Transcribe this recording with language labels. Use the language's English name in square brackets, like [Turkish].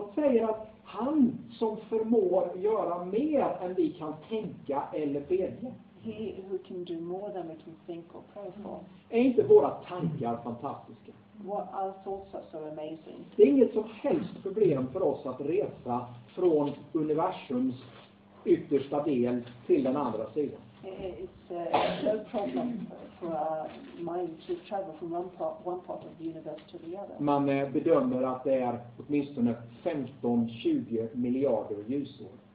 [Swedish] Och säger att han som förmår göra mer än vi kan tänka eller bedja. [English] He who can do more than we can think or pray for. [Swedish] Är inte våra tankar fantastiska? [English] What our thoughts are so amazing. [Swedish] Det är inget som helst problem för oss att resa från universums yttersta del till den andra sidan. [English] It's no problem for our mind to travel from one part of the universe to the other. [Swedish] Man bedömer att det är åtminstone 15-20 miljarder ljusår.